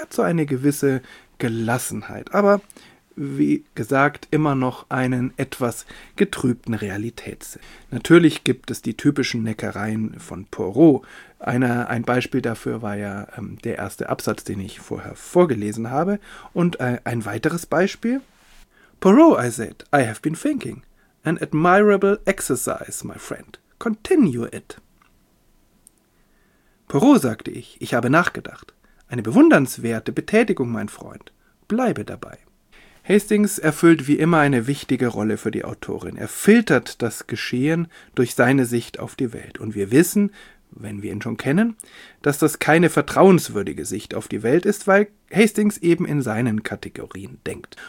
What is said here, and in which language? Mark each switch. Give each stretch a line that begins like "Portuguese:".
German: Hat so eine gewisse Gelassenheit, aber wie gesagt immer noch einen etwas getrübten Realitätssinn. Natürlich gibt es die typischen Neckereien von Poirot. Ein Beispiel dafür war ja der erste Absatz, den ich vorher vorgelesen habe. Und ein weiteres Beispiel.
English: Poirot, I said, I have been thinking. An admirable exercise, my friend. Continue it.
German: Poirot, sagte ich, ich habe nachgedacht. Eine bewundernswerte Betätigung, mein Freund. Bleibe dabei. Hastings erfüllt wie immer eine wichtige Rolle für die Autorin. Er filtert das Geschehen durch seine Sicht auf die Welt. Und wir wissen, wenn wir ihn schon kennen, dass das keine vertrauenswürdige Sicht auf die Welt ist, weil Hastings eben in seinen Kategorien denkt.